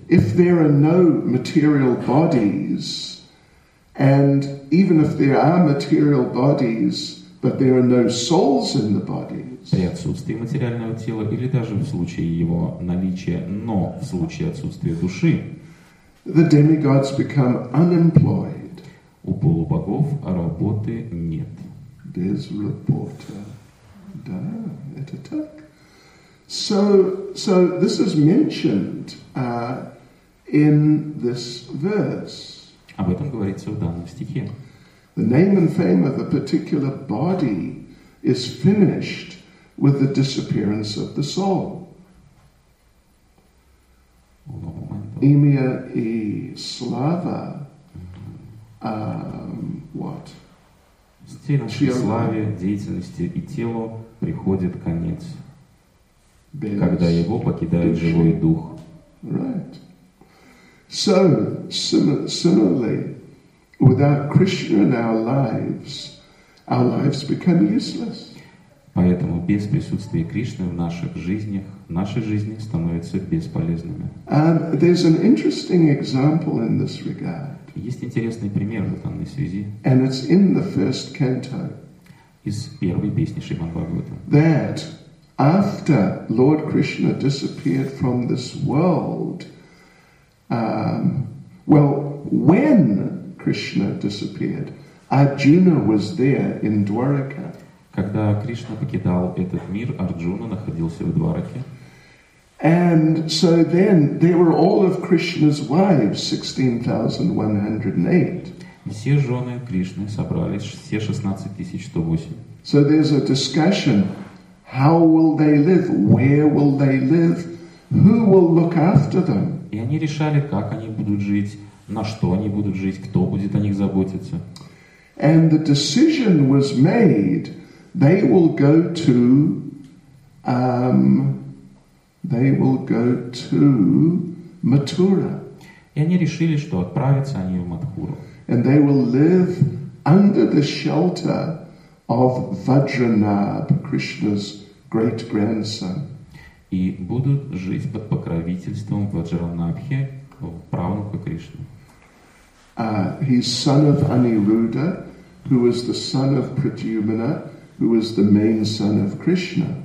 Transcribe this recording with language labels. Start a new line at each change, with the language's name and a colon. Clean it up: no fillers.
English: If there are no material bodies, and even if there are material bodies, but there are no souls in the body.
Russian: При отсутствии материального тела или даже в случае его наличия, но в случае отсутствия души,
English: the demigods become unemployed.
Russian: У полубогов работы нет. Без работы. Да, это так.
English: So this is mentioned in this verse.
Russian: Об этом говорится в данном стихе.
English: The name and fame of a particular body is finished with the disappearance of the soul.
Russian: Имя и слава,
English: what?
Russian: Стерянской славе, деятельности и телу приходит конец, без когда его покидает души. Живой дух.
English: Right. So, similarly, without Krishna in our lives become useless.
Russian: Поэтому без присутствия Кришны в наших жизнях, наши жизни становятся бесполезными.
English: There's an interesting example in this regard.
Russian: Есть интересный пример в данной связи.
English: And it's in the first canto.
Russian: Из первой песни Шримад Бхагаватам.
English: That after Lord Krishna disappeared from this world, when Krishna disappeared. Arjuna was there in Dwaraka.
Russian: Когда Кришна покидал этот мир, Арджуна находился в Двараке.
English: And so then there were all of Krishna's wives, 16,108.
Russian: Все жены Кришны собрались, все 16,108.
English: So there's a discussion: how will they live? Where will they live? Who will look after them?
Russian: И они решали, как они будут жить, на что они будут жить, кто будет о них заботиться.
English: And the decision was made: they will go to, they will go to Mathura.
Russian: И они решили, что отправятся они в Матхуру.
English: And they will live under the shelter of Vajranab, Krishna's great grandson.
Russian: И будут жить под покровительством Ваджранабхи, правнука Кришны.
English: He's son of Aniruddha, who was the son of Pradyumna, who was the main son of Krishna.